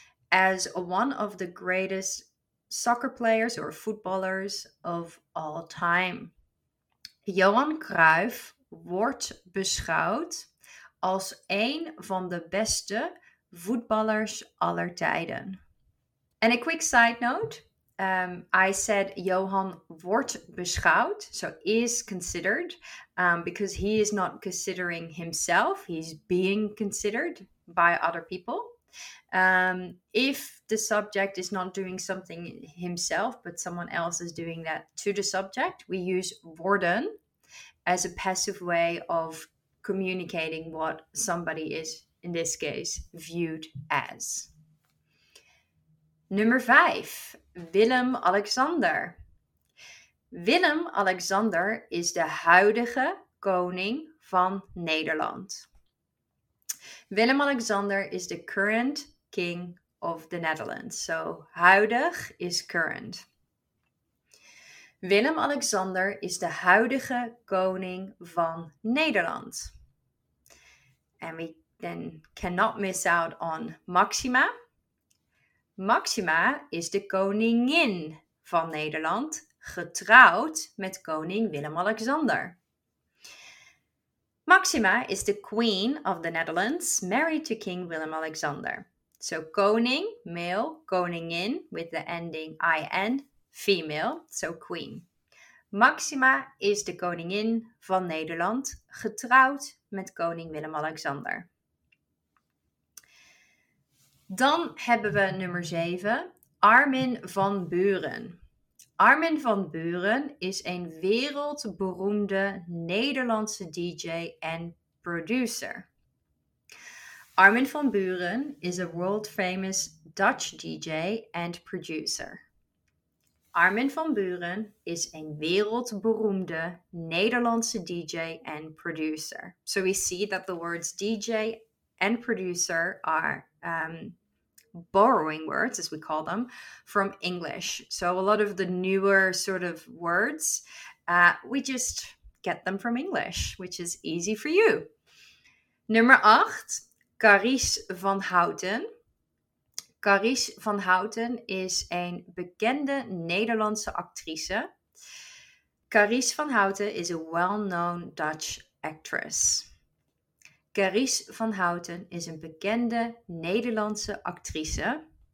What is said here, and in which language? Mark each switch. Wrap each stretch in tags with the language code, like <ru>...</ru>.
<en>as one of the greatest soccer players or footballers of all time.</en> <nl>Johan Cruijff wordt beschouwd als een van de beste voetballers aller tijden.</nl> <en>And a quick side note, I said Johan</en> <nl>wordt beschouwd,</nl> <en>so is considered, because he is not considering himself, he's being considered by other people. If the subject is not doing something himself, but someone else is doing that to the subject, we use worden as a passive way of communicating what somebody is in this case, viewed as. Number 5, Willem-Alexander.</en> <nl>Willem-Alexander is de huidige koning van Nederland.</nl> <en>Willem-Alexander is the current king of the Netherlands. So, huidig is current.</en> <nl>Willem-Alexander is de huidige koning van Nederland.</nl> <en>And we then cannot miss out on Maxima.</en> <nl>Maxima is de koningin van Nederland, getrouwd met koning Willem-Alexander.</nl> <en>Maxima is the queen of the Netherlands, married to King Willem-Alexander. So koning, male, koningin, with the ending IN, female, so queen.</en> <nl>Maxima is de koningin van Nederland, getrouwd met koning Willem-Alexander. Dan hebben we nummer 7, Armin van Buuren. Armin van Buuren is een wereldberoemde Nederlandse DJ en producer.</nl> <en>Armin van Buuren is a world famous Dutch DJ and producer.</en> <nl>Armin van Buuren is een wereldberoemde Nederlandse DJ</nl> <en>and</en> <nl>producer.</nl> <en>So we see that the words DJ and producer are borrowing words, as we call them, from English. So a lot of the newer sort of words, we just get them from English, which is easy for you. Number 8, Carice van Houten.</en> <nl>Carice van Houten is een bekende Nederlandse actrice.</nl> <en>Carice van Houten is a well-known Dutch actress.</en> <nl>Carice van Houten is een bekende Nederlandse actrice.</nl>